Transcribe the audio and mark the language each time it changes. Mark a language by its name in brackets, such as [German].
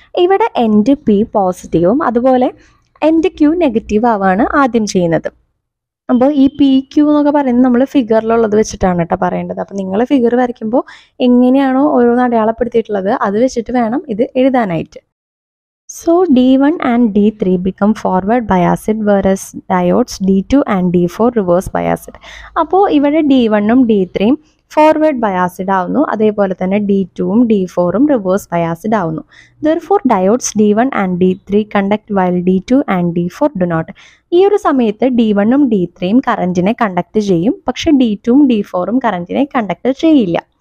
[Malayalam] ഇവിടെ end P പോസിറ്റീവും അതുപോലെ എൻഡ് ക്യൂ നെഗറ്റീവ് ആവാണ് ആദ്യം ചെയ്യുന്നത്. അപ്പോൾ ഈ പി ക്യൂ എന്നൊക്കെ പറയുന്നത് നമ്മൾ ഫിഗറിലുള്ളത് വെച്ചിട്ടാണ് കേട്ടോ പറയേണ്ടത്. അപ്പോൾ നിങ്ങൾ ഫിഗർ വരയ്ക്കുമ്പോൾ എങ്ങനെയാണോ ഓരോന്ന് അടയാളപ്പെടുത്തിയിട്ടുള്ളത് അത് വെച്ചിട്ട് വേണം ഇത് എഴുതാനായിട്ട്. [English] So D1 and D3 become forward biased whereas diodes D2 and D4 reverse biased. [Malayalam] അപ്പോൾ ഇവിടെ D1 ഉം D3 ഉം ഫോർവേഡ് ബയാസിഡ് ആവുന്നു, അതേപോലെ തന്നെ D2 ഉം D4 ഉം റിവേഴ്സ് ബയാസിഡ് ആവുന്നു. [English] Therefore diodes D1 and D3 conduct while D2 and D4 do not. [Malayalam] ഈ ഒരു സമയത്ത് D1 ഉം D3 ഉം കറൻറ്റിനെ കണ്ടക്ട് ചെയ്യും, പക്ഷേ D2 ഉം D4 ഉം കറൻറ്റിനെ കണ്ടക്ട് ചെയ്യില്ല.